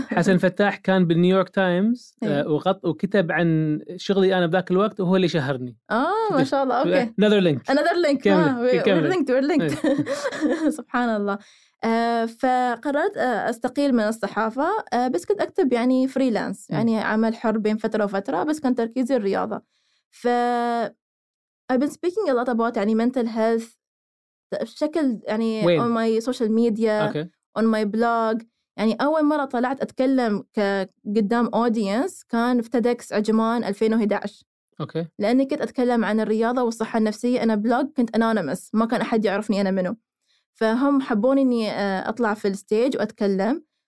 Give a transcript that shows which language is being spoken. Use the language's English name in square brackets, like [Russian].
[Arabic] حسن فتاح كان بالنيويورك تايمز وكتب عن شغلي أنا بذاك الوقت وهو اللي شهرني. ما شاء الله. أوكي. [English] Another link. Another link. We're linked. سبحان الله. [Arabic] فقررت أستقيل من الصحافة بس كنت أكتب يعني فريلانس يعني عمل حر بين فترة وفترة بس كان تركيزي الرياضة. [English] ف I've been speaking a lot about يعني mental health [Arabic] بشكل يعني وين؟ [English] on my social media, okay. on my blog. [Arabic] يعني أول مرة طلعت أتكلم قدام audience كان في تيدكس عجمان 2011. أوكي. Okay. لأني كنت أتكلم عن الرياضة والصحة النفسية. أنا بلوج كنت anonymous ما كان أحد يعرفني أنا منه. فهم حبوني أني أطلع في الستيج وأتكلم.